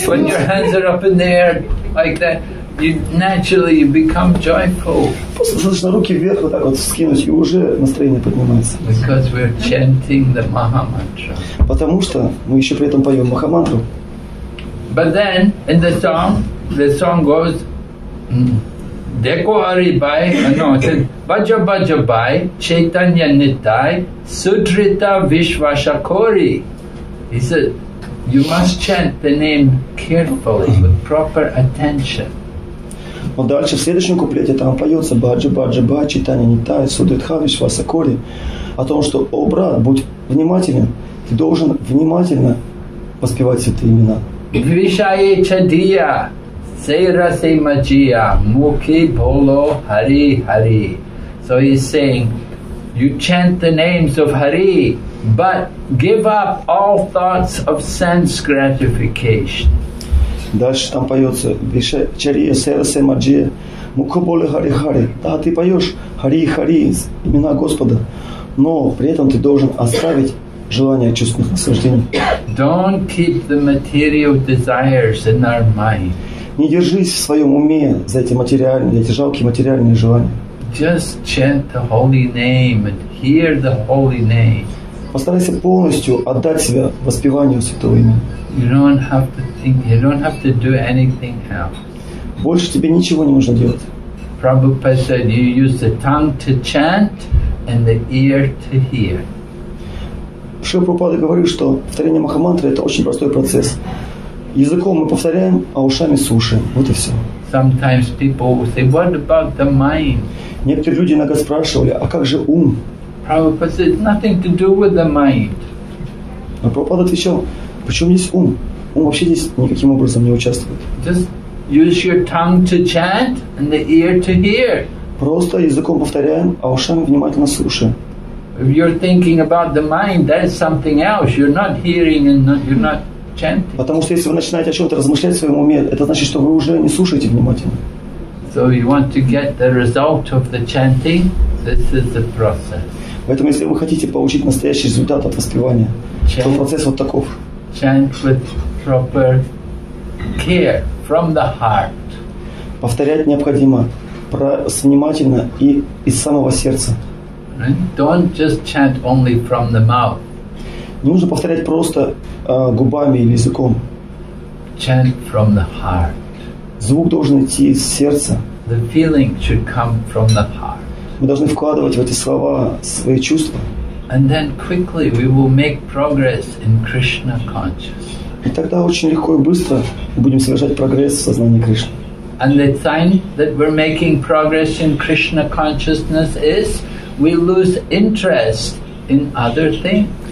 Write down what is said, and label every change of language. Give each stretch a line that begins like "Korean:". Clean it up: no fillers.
English: When your hands are up in the air like that, you naturally become joyful.
Russian: Просто достаточно руки вверх вот так вот скинуть, и уже настроение поднимается.
English: Because we're chanting the Mahamantra.
Russian: Потому что мы еще при этом поем Махамантру.
English: But then in the song goes
Bangla: Deko Aribai,
English: no, it says
Bangla: Bajo Bajo Bai, Chaitanya Nitai, Sudrita Vishvashakori.
English: He said, you must chant the name carefully, with proper attention.
Russian: Но дальше в следующем куплете там поется
Bangla: баджи, баджи, баджи, таня, не тая, судритхавиш, васакори,
Russian: о том, что, о, брат, будь внимателен, ты должен внимательно воспевать святые имена.
Bangla: Вишае чадия, сейра сеймаджия, муки боло хари хари.
English: So he's saying, you chant the names of Hari, but give up all thoughts of sense gratification.
Russian: Дальше там поется
Bangla: Виша Чария Сера Семаджи Мукоболе Хари Хари.
Russian: Да, ты поешь Хари Хари, имена Господа, но при этом ты должен оставить желание чувственных наслаждений.
English: Don't keep the material desires in our mind.
Russian: Не держись в своем уме за эти материальные, эти жалкие материальные желания.
English: Just chant the holy name and hear the holy name.
Russian: Постарайся полностью отдать себя воспеванию святого имени.
English: You don't have to think, you don't have to do anything else.
Russian: Больше тебе ничего не нужно делать.
English: Prabhupada said, you use the tongue to chant and the ear to hear.
Russian: Шри Прабхупада говорит, что повторение Махамантры — это очень простой процесс. Языком мы повторяем, а ушами слушаем. Вот и все.
English: Sometimes people say, what about the mind?
Russian: Некоторые люди иногда спрашивали, а как же ум?
English: Prabhupada said, nothing to do with the mind.
Russian: А Прабхупада отвечал, почему здесь ум? Ум вообще здесь никаким образом не участвует.
English: Just use your tongue to chant and the ear to hear.
Russian: Просто языком повторяем, а ушами внимательно слушаем.
English: If you're thinking about the mind, that's something else. You're not hearing and not, you're not chanting.
Russian: Потому что если вы начинаете о чем-то размышлять в своем уме, это значит, что вы уже не слушаете внимательно.
English: So you want to get the result of the chanting. This is the process.
Russian: Поэтому, если вы хотите получить настоящий результат от воспевания, то процесс вот таков.
English: Chant with proper care from the heart.
Russian: Повторять необходимо внимательно и из самого сердца.
English: Right? Don't just chant only from the mouth.
Russian: Не нужно повторять просто губами или языком.
English: Chant from the heart.
Russian: Звук должен идти из сердца.
English: The feeling should come from the heart.
Russian: Мы должны вкладывать в эти слова свои чувства.
English: And then quickly we will make progress in Krishna consciousness.
Russian: И тогда очень легко и быстро будем совершать прогресс в сознании Кришны.
English: And the sign that we're making progress in Krishna consciousness is we lose interest in other things.